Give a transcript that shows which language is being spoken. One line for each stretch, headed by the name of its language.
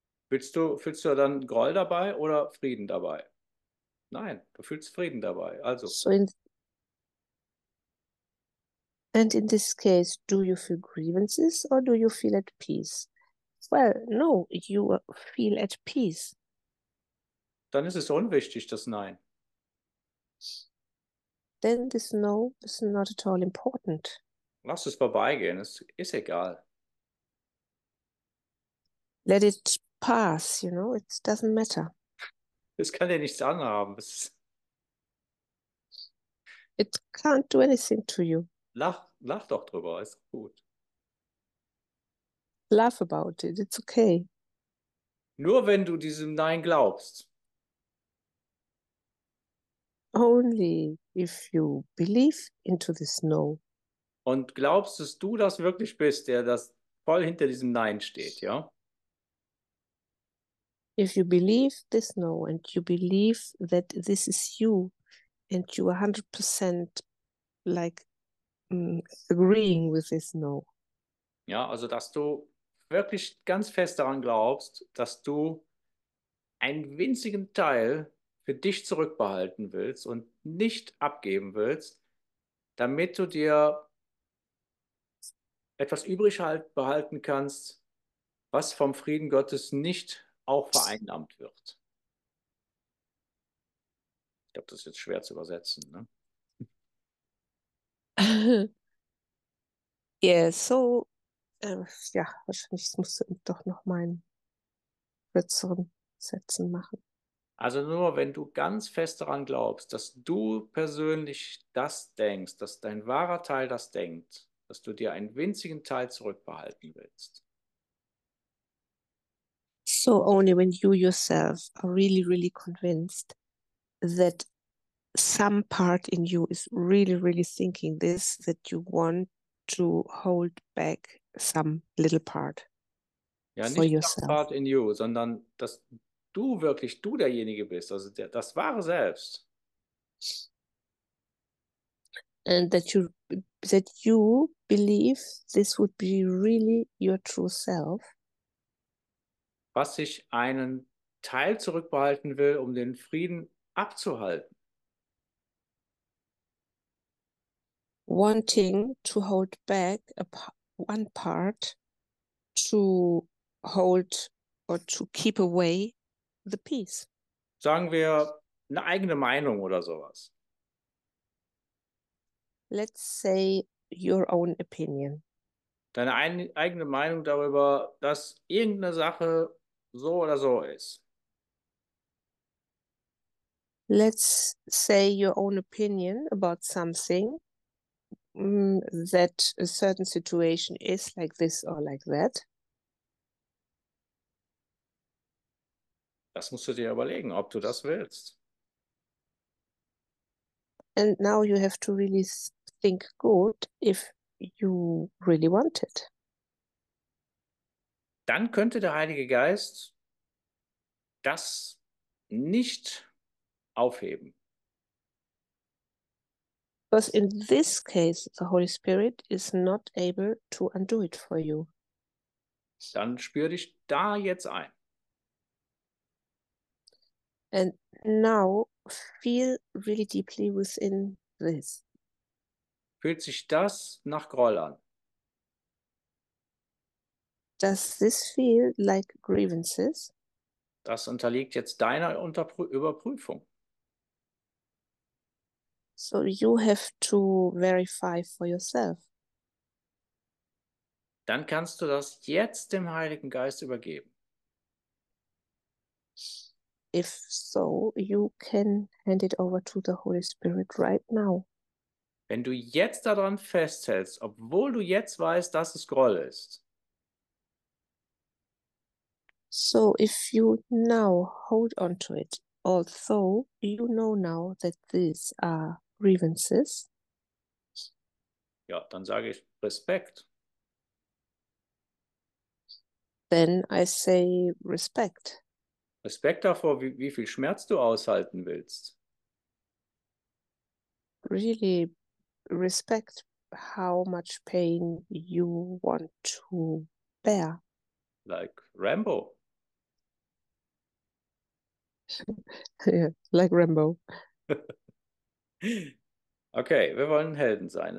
German: Fühlst du dann Groll dabei oder Frieden dabei? Nein, du fühlst Frieden dabei. Also.
English: So in this case, do you feel grievances or do you feel at peace? Well, no, you feel at peace.
German: Dann ist es unwichtig, das Nein.
English: Then this no is not at all important.
German: Lass es vorbeigehen, es ist egal.
English: Let it pass, you know, it doesn't matter.
German: Es kann dir nichts anhaben.
English: It can't do anything to you.
German: Lach doch drüber, ist gut.
English: Laugh about it, it's okay.
German: Nur wenn du diesem Nein glaubst.
English: Only if you believe into this no.
German: Und glaubst, dass du das wirklich bist, der das voll hinter diesem Nein steht, ja?
English: If you believe this no and you believe that this is you and you 100% like agreeing with this no.
German: Ja, also dass du wirklich ganz fest daran glaubst, dass du einen winzigen Teil für dich zurückbehalten willst und nicht abgeben willst, damit du dir etwas übrig behalten kannst, was vom Frieden Gottes nicht auch vereinnahmt wird. Ich glaube, das ist jetzt schwer zu übersetzen, ne?
English: Yeah, so,
German: ja, wahrscheinlich musst du doch noch meinen kürzeren Sätzen machen. Also nur, wenn du ganz fest daran glaubst, dass du persönlich das denkst, dass dein wahrer Teil das denkt, dass du dir einen winzigen Teil zurückbehalten willst.
English: So only when you yourself are really, really convinced that some part in you is really, really thinking this, that you want to hold back some little part
German: ja,
English: for yourself.
German: Ja, nicht
English: some part in you,
German: sondern dass du wirklich du derjenige bist, also das wahre Selbst.
English: And that you believe this would be really your true self.
German: was ich einen Teil zurückbehalten will, um den Frieden abzuhalten.
English: Wanting to hold back one part to hold or to keep away the peace.
German: Sagen wir eine eigene Meinung oder sowas.
English: Let's say your own opinion.
German: Deine eigene Meinung darüber, dass irgendeine Sache so oder so ist.
English: Let's say your own opinion about something. That a certain situation is like this or like that.
German: Das musst du dir überlegen, ob du das willst.
English: And now you have to really think good if you really want it.
German: Dann könnte der Heilige Geist das nicht aufheben.
English: Because in this case, the Holy Spirit is not able to undo it for you.
German: Dann spür dich da jetzt ein.
English: And now feel really deeply within this.
German: Fühlt sich das nach Groll an?
English: Does this feel like grievances?
German: Das unterliegt jetzt deiner Überprüfung.
English: So you have to verify for yourself.
German: Dann kannst du das jetzt dem Heiligen Geist übergeben.
English: If so, you can hand it over to the Holy Spirit right now.
German: Wenn du jetzt daran festhältst, obwohl du jetzt weißt, dass es Groll ist.
English: So if you now hold on to it, although you know now that these are grievances.
German: Ja, dann sage ich Respekt.
English: Then I say respect.
German: Respekt davor, wie viel Schmerz du aushalten willst.
English: Really respect how much pain you want to bear. Like Rambo. Yeah, like Rambo.
German: Okay, wir wollen Helden sein.